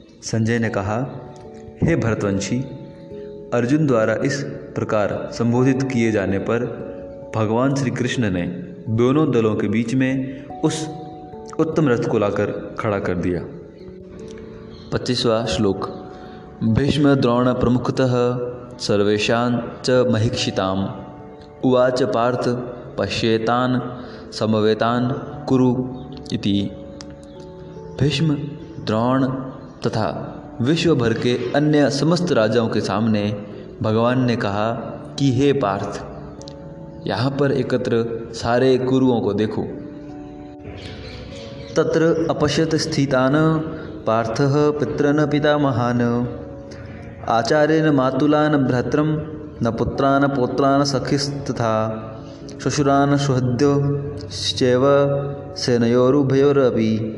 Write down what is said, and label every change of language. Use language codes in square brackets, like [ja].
[hi] संजय ने कहा, हे भरतवंशी, अर्जुन द्वारा इस प्रकार संबोधित किए जाने पर भगवान श्री कृष्ण ने दोनों दलों के बीच में उस उत्तम रथ को लाकर खड़ा कर दिया। 25वां श्लोक। [sa] भीष्म द्रोण प्रमुखतः सर्वेषां च महिक्षिताम् उवाच पार्थ पश्येतान समवेतान कुरु इति। [hi] भीष्म, द्रोण तथा विश्व भर के अन्य समस्त राजाओं के सामने भगवान ने कहा कि हे पार्थ, यहाँ पर एकत्र सारे कुरुओं को देखो। [sa] तत्र अपश्यत स्थितान पार्थः पितृन पितामहान् आचार्येण मातुलान भ्रात्रम न पुत्रान पौत्रान सखिस्तथा शुश्रान सुहृद्योश्चैव सेनयोरुभयोरपि।